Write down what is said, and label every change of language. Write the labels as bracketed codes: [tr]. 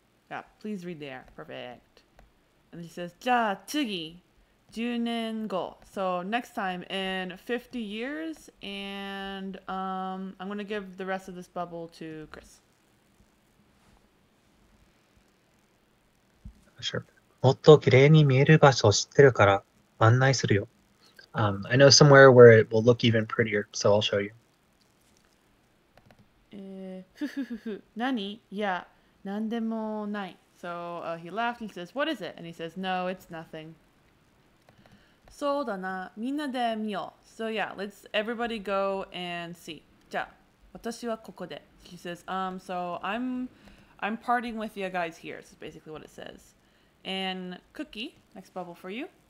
[en] Yeah, please read the air. Perfect. And he says, [ja] ja, tsugi, junen go. [en] So next time in 50 years, and I'm going to give the rest of this bubble to Chris. [ja] もっと綺麗に見える場所を知ってるから案内するよ。 [en] I know somewhere where it will look even prettier, so I'll show you. [ja] ふふふふ。何？いや、なんでもない。 [en] So he laughed and says, what is it? And he says, no, it's nothing. [ja] そうだな。みんなで見よう。 [en] So yeah, let's everybody go and see. [ja] じゃあ、私はここで。 [en] He says, so I'm partying with you guys here. This is basically what it says. And Cookie, next bubble for you.